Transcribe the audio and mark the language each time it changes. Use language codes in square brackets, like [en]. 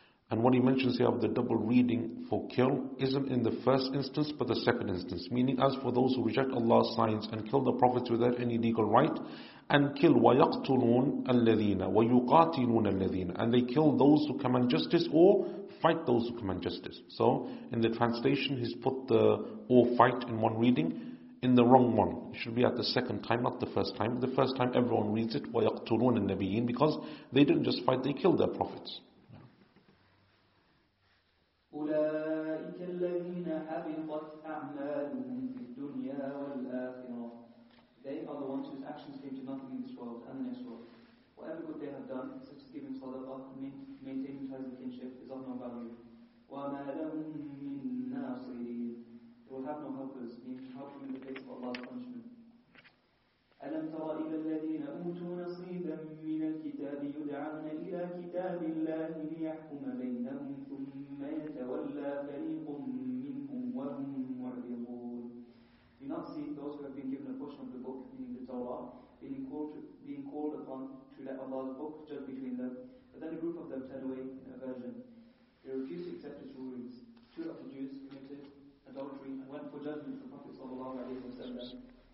[en] And what he mentions here of the double reading for kill isn't in the first instance but the second instance, meaning as for those who reject Allah's signs and kill the prophets without any legal right, and kill [ar] وَيَقْتُلُونَ الَّذِينَ وَيُقَاتِلُونَ الَّذِينَ, [en] and they kill those who command justice or fight those who command justice. So in the translation he's put the or fight in one reading in the wrong one. It should be at the second time, not the first time. The first time everyone reads it [ar] وَيَقْتُلُونَ النَّبِيِّينَ, [en] because they didn't just fight, they killed their prophets. [ar] أولئك الذين حبطت أعمالهم في الدنيا والآخرة. [en] They are the ones whose actions came to nothing in this world and the next world. Whatever good they have done, such as giving sadaqah, maintaining ties of kinship, is of no value. [ar] وما لهم من ناصرين. [en] They will have no helpers, meaning to help them in the face of Allah's punishment. [ar] ألم تر إلى الذين أوتوا نصيبا من الكتاب يدعون إلى كتاب الله ليحكم بينهم ثم يتولى فريق منهم وهم معرضون. [en] Do you not see those who have been given a portion of the book, meaning the Torah, being called upon to let Allah's book judge between them? But then a group of them turn away in aversion. They refuse to accept its rulings. Two of the Jews committed adultery and went for judgment from the Prophet sallallahu alaihi wasallam.